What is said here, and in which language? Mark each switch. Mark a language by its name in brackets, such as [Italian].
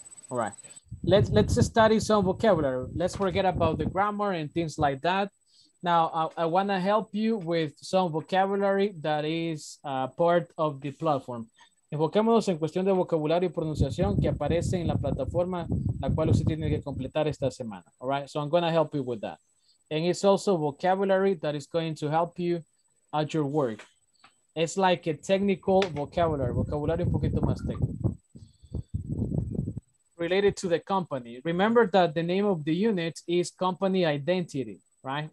[English] All right, let's study some vocabulary. Let's forget about the grammar and things like that. Now, I want to help you with some vocabulary that is part of the platform. [Spanish] Enfoquémonos en cuestión de vocabulario y pronunciación que aparece en la plataforma la cual usted tiene que completar esta semana. [English] All right, so I'm going to help you with that. And it's also vocabulary that is going to help you at your work. It's like a technical vocabulary, [Spanish] vocabulario un poquito más técnico. [English] Related to the company. Remember that the name of the unit is company identity, right?